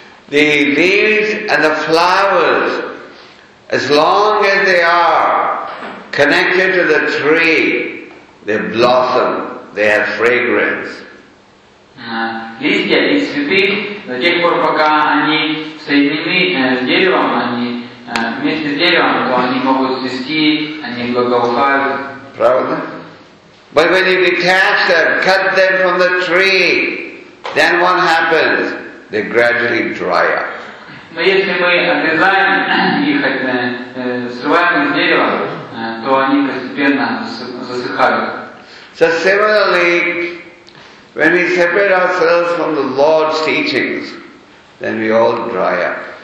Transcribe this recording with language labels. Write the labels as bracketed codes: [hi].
[en] The leaves and the flowers, as long as they are connected to the tree, they blossom, they have fragrance. [ru] Листья и цветы, до тех пор, пока они соединены с деревом, они вместе с деревом, то они могут цвести, они благоухают. Правда? [en] But when you detach them, cut them from the tree, then what happens? They gradually dry up. [ru] Но если мы отрезаем их, срываем из дерева, то они постепенно засыхают. [en] So similarly, when we separate ourselves from the Lord's teachings, then we all dry up.